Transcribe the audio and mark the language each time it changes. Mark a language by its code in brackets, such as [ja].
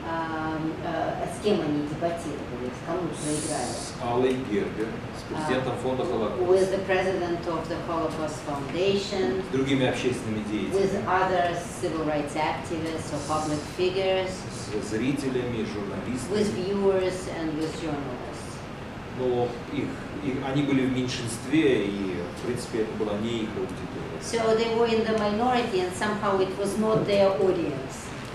[ru] С кем они дебатировали, с кому проиграли? С Аллой Гербер, с президентом фонда Холокост. [en] With the president of the Holocaust Foundation. [ru] С другими общественными деятелями. [en] With other civil rights activists or public figures. [ru] С зрителями, журналистами. [en] With viewers and with journalists. [ru] Но их они были в меньшинстве, и, в принципе, это была не их аудитория. [en] So they were in the minority, and somehow it was not their audience.